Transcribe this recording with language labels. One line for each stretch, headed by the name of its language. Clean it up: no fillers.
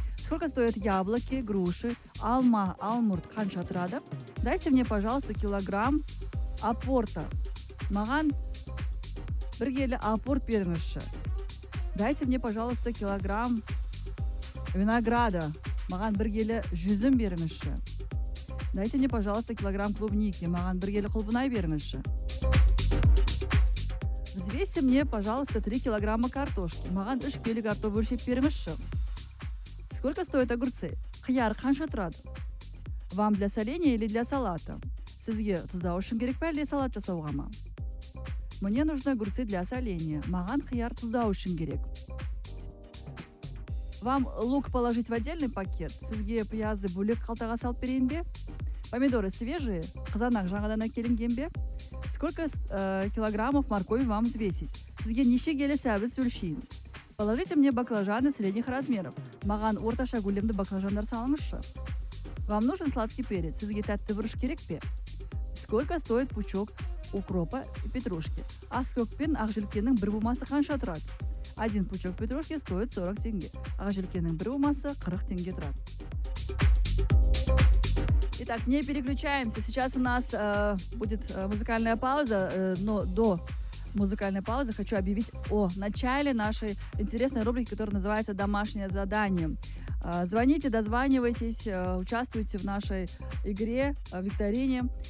Russian: Сколько стоят яблоки, груши?
Kazakh: Алма, алмұрт қанша тұрады?
Russian: Дайте мне, пожалуйста, килограмм апорта.
Kazakh: Маған бір келі апорт беріңізші.
Russian: Дайте мне, пожалуйста, килограмм винограда.
Kazakh: Маған бір келі жүзім беріңізші.
Russian: Дайте мне, пожалуйста, килограмм клубники.
Kazakh: Маған бір келі клубнай беріңізші.
Russian: Взвесьте мне, пожалуйста, 3 килограмма картошки.
Kazakh: Маған 3 келі картоп өлшеп беріңізші.
Russian: Сколько стоят огурцы?
Kazakh: Хияр қанша тұрады?
Russian: Вам для соления или для салата?
Kazakh: Сізге тұздау үшін керек пе, әлде салат жасауға ма?
Russian: Мне нужны огурцы для соления.
Kazakh: Маған хияр тұздау үшін керек.
Russian: Вам лук положить в отдельный пакет?
Kazakh: Сізге пиязды бөлек қалтаға салып берейін бе?
Russian: Помидоры свежие?
Kazakh: Қызанақ жаңадан әкелінген бе?
Russian: Сколько килограммов моркови вам взвесить?
Kazakh: Сізге неше келі сәбіз өлшейін?
Russian: Положите мне баклажаны средних размеров.
Kazakh: Маған орташа көлемді баклажандар салыңызшы.
Russian: Вам нужен сладкий перец?
Kazakh: Сізге тәтті бұрыш керек пе?
Russian: Сколько стоит пучок укропа и петрушки?
Kazakh: Аскөк пен ақжелкенің бір бумасы қанша тұрады?
Russian: Один пучок петрушки стоит 40 тенге.
Kazakh: Ақжелкенің бір бумасы 40 тенге тұрады.
Russian: Итак, не переключаемся. Сейчас у нас будет музыкальная пауза, но до музыкальной паузы хочу объявить о начале нашей интересной рубрики, которая называется «Домашнее задание». Звоните, дозванивайтесь, участвуйте в нашей игре, викторине.